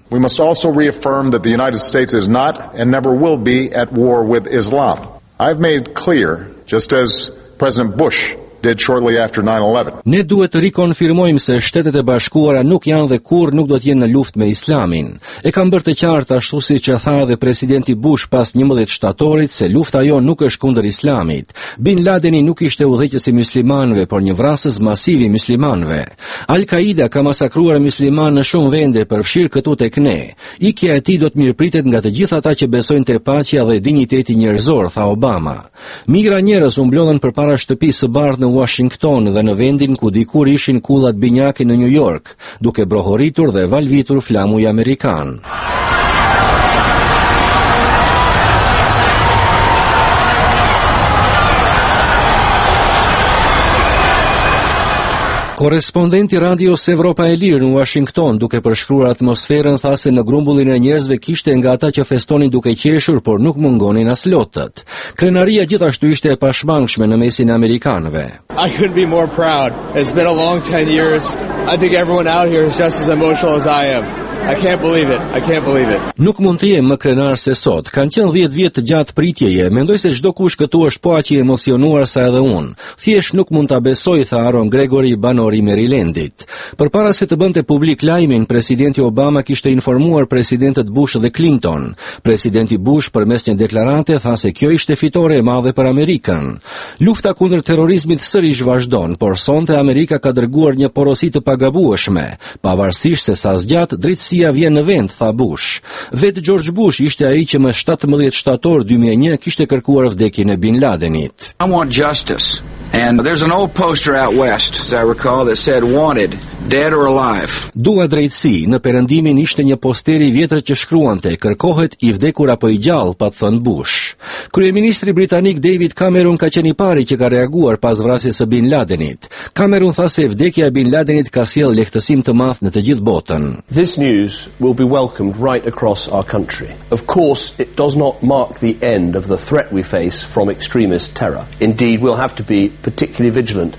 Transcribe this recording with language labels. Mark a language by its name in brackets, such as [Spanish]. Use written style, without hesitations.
[English] We must also reaffirm that the United States is not and never will be at war with Islam. I've made clear, just as President Bush did shortly after 9/11. [Albanian] Ne duhet të rikonfirmojmë se Shtetet e Bashkuara nuk janë dhe kurrë nuk do të jenë në luftë me Islamin. E kam bërë të qartë ashtu siç e tha edhe presidenti Bush pas 11 shtatorit se lufta jo nuk është kundër Islamit. Bin Ladeni nuk ishte udhëheqës i muslimanëve, por një vrasës masiv i muslimanëve. Al-Qaida ka masakruar musliman në shumë vende, përfshirë këtu tek ne. Ikja e tij do të mirëpritet nga të gjithë ata që besojnë te paqja dhe digniteti njerëzor, tha Obama. Migra njerëz u mblodhën përpara shtëpisë së bardhë në Washington dhe në vendin ku dikur ishin kullat binjake në New York, duke brohoritur dhe valvitur flamuj amerikan. Korrespondenti Radios Evropa e Lirë në Washington, duke përshkruar atmosferën, tha se në grumbullin e njerëzve kishte nga ata që festonin duke qeshur, por nuk mungonin as lotët. Krenaria gjithashtu ishte e pashmangshme në mesin e amerikanëve. [English] I couldn't be more proud. It's been a long 10 years. I think everyone out here is just as emotional as I am. I can't believe it. I can't believe it. [Albanian] Nuk mund të jem më krenar se sot. Kanë qenë 10 vjet gjatë pritjeje. Mendoj se çdo kush këtu është po aq i emocionuar sa edhe unë. Thjesht nuk mund ta besoj, tha Aaron Gregory, banori i Marylandit. Përpara se të bënte publik lajmin, presidenti Obama kishte informuar presidentët Bush dhe Clinton. Presidenti Bush përmes një deklarate tha se kjo ishte fitore e madhe për Amerikën. Lufta kundër terrorizmit sërish vazhdon, por sonte Amerika ka dërguar një porosi të pagabueshme, pavarësisht se sa zgjat drejt Sia vjen në vend, tha Bush. Vetë George Bush ishte ai që më 17 shtator 2001 kishte kërkuar vdekjen e Bin Ladenit. [English] I want justice. And there's an old poster out west, as I recall, that said wanted, dead or alive. [Albanian] Dua drejtësi, në perëndimin ishte një poster i vjetër që shkruante, kërkohet i vdekur apo i gjallë, pa thënë Bush. Kryeministri britanik David Cameron ka qenë i pari që ka reaguar pas vrasjes së Bin Ladenit. Cameron tha se vdekja e Bin Ladenit ka sjell lehtësim të madh në të gjithë botën. [English] This news will be welcomed right across our country. Of course, it does not mark the end of the threat we face from extremist terror. Indeed, we'll have to be particularly vigilant.